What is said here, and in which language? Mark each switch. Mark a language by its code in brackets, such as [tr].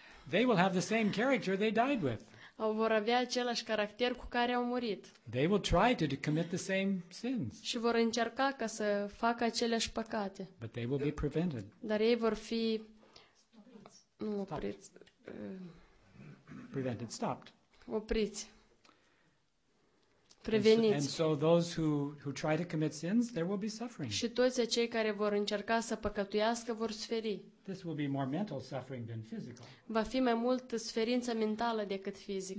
[en] They will have the same character they died with. [ro] Au vor avea același caracter cu care au murit. [en] They will try to commit the same sins. [ro] Și vor încerca ca să facă aceleași păcate. [en] But they will be prevented. [ro] Dar ei vor fi opriți. [en] Prevented, stopped. [ro] Opriți. Preveniți. [en] And so those who try to commit sins, there will be suffering. [ro] Și toți cei care vor încerca să păcătuiască vor suferi. [en] This will be more mental suffering than physical. [ro] Va fi mai mult suferință mentală decât fizică.